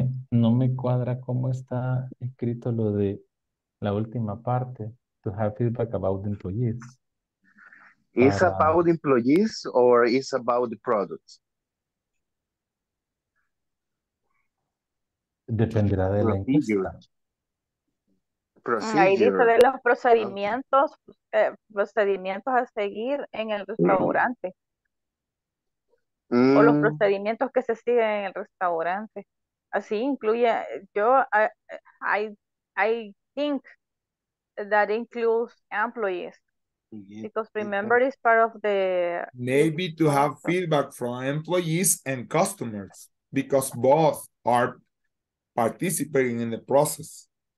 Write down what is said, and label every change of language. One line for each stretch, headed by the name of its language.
Spanish: No me cuadra cómo está escrito lo de la última parte.
English: To have feedback about employees. Is about employees or is about the product?
Spanish: Dependerá de la encuesta. Procedure. Ahí dice de los procedimientos, procedimientos a seguir en el restaurante. O los procedimientos que se siguen en el restaurante. Así incluye, yo,
English: I think that includes employees. Yes. Because remember, it's part of the... Maybe to have feedback from employees and customers, because both are participating in the process.